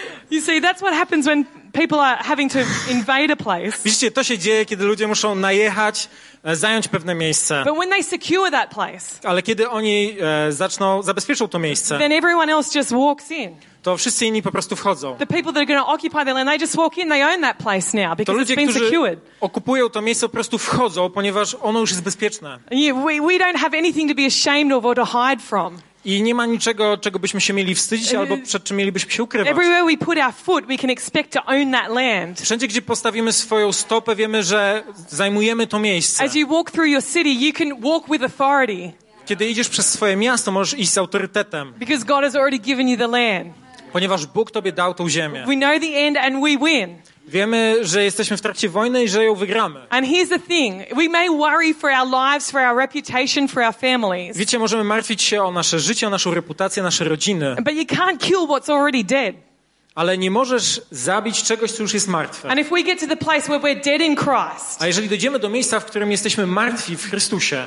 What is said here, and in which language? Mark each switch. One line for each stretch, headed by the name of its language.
English: You see, that's what happens when people are having to invade a place.
Polish: Widzicie, to się dzieje, kiedy ludzie muszą najechać, zająć pewne miejsce.
English: But when they secure that place,
Polish: ale kiedy oni zaczną zabezpieczą to miejsce,
English: then everyone else just walks in.
Polish: To wszyscy inni po prostu wchodzą.
English: The people that are going to occupy the land, they just walk in, they own that place now because
Polish: to ludzie,
English: it's been
Polish: którzy
English: secured.
Polish: Okupują to miejsce, po prostu wchodzą, ponieważ ono już jest bezpieczne.
English: We don't have anything to be ashamed of or to hide from.
Polish: I nie ma niczego, czego byśmy się mieli wstydzić albo przed czym mielibyśmy się ukrywać.
English: Everywhere we put our foot, we can expect to own that land.
Polish: Wszędzie, gdzie postawimy swoją stopę, wiemy, że zajmujemy to miejsce.
English: As you walk through your city, you can walk with authority.
Polish: Kiedy idziesz przez swoje miasto, możesz iść z autorytetem.
English: Because God has already given you the land.
Polish: Ponieważ Bóg tobie dał tą ziemię.
English: We know the end and we win.
Polish: Wiemy, że jesteśmy w trakcie wojny i że ją wygramy.
English: And here's the thing. We may worry for our lives, for our reputation, for our families.
Polish: Wiecie, możemy martwić się o nasze życie, o naszą reputację, nasze rodziny.
English: But you can't kill what's already dead.
Polish: Ale nie możesz zabić czegoś, co już jest martwe.
English: And if we get to the place where we're dead in Christ.
Polish: A jeżeli dojdziemy do miejsca, w którym jesteśmy martwi w Chrystusie.